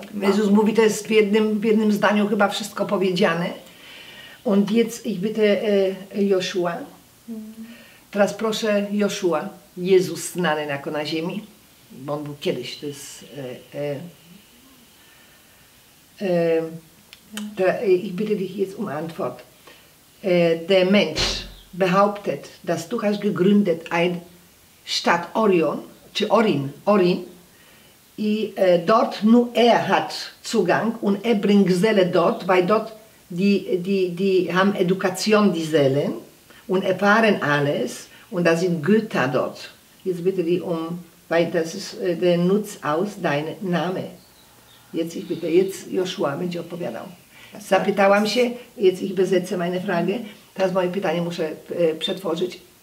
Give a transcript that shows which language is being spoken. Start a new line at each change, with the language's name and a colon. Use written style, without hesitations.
Polish: Jesus mówi, to jest w jednym zdaniu chyba wszystko powiedziane.
German: Und jetzt ich bitte Joshua.
Polish: Teraz proszę Joshua, Jezus znany jako na ziemi, bo on był kiedyś, to jest...
German: ich bitte dich jetzt Antwort. Der Mensch behauptet, dass du hast gegründet ein Stadt Orion, czy Orin, i dort nur hat Zugang und bringt Seele dort, weil dort die haben Education, die Seelen, und erfahren alles, und da sind Götter dort. Jetzt bitte die weil das ist der Nutz aus deinem Namen. Jetzt ich bitte, jetzt Joshua
Polish: będzie odpowiadał. Zapytałam się,
German: jetzt ich besetze meine Frage,
Polish: teraz moje pytanie muszę przetworzyć.